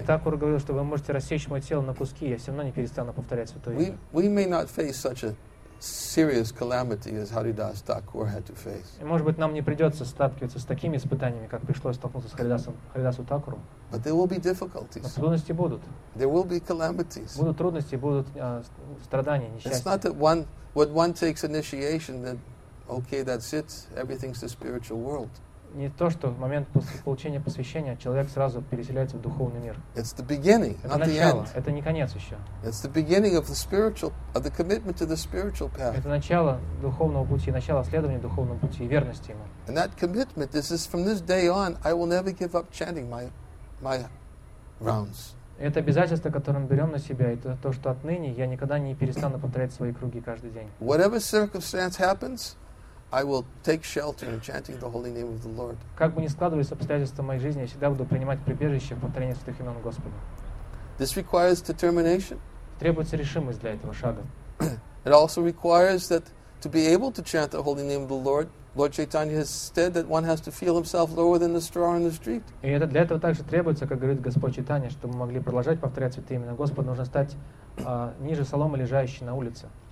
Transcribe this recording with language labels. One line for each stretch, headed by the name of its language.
Russian: Такур говорил, что вы можете рассечь мое тело на куски, я все равно не перестану повторять святое имя.
English: We may not face such a serious calamity as Haridas Thakur had to face.
Russian: И, может быть, нам не придется сталкиваться с такими испытаниями, как пришлось столкнуться с Харидасом Такуру.
English: But there will be difficulties.
Russian: Трудности будут.
English: There will be calamities.
Russian: Будут трудности, будут страдания, несчастья.
English: It's not that one when one takes initiation that okay, that's it, everything's the spiritual world.
Russian: Не то, что в момент получения посвящения человек сразу переселяется в духовный мир.
English: It's the beginning,
Russian: это
English: not
Russian: начало,
English: the end.
Russian: Это не конец еще.
English: It's the beginning of the spiritual, of the commitment to the spiritual path.
Russian: Это начало духовного пути, начало следования духовному пути и верности ему.
English: And that commitment, this is from this day on, I will never give up chanting my rounds.
Russian: Это обязательство, которое мы берем на себя, это то, что отныне я никогда не перестану повторять свои круги каждый день.
English: Whatever circumstance happens, I will take shelter in chanting the holy name of the Lord.
Russian: Как бы ни складывались обстоятельства моей жизни, я всегда буду принимать прибежище в повторении святых имен Господа.
English: This requires determination.
Russian: Требуется решимость для этого шага.
English: It also requires that to be able to chant the holy name of the Lord, Lord Chaitanya has said that one has to feel himself lower than the straw in the street.
Russian: И это для этого также требуется, как говорит Господь Чайтанья, чтобы мы могли продолжать повторять святые имена Господа, нужно стать ниже соломы, лежащей на улице.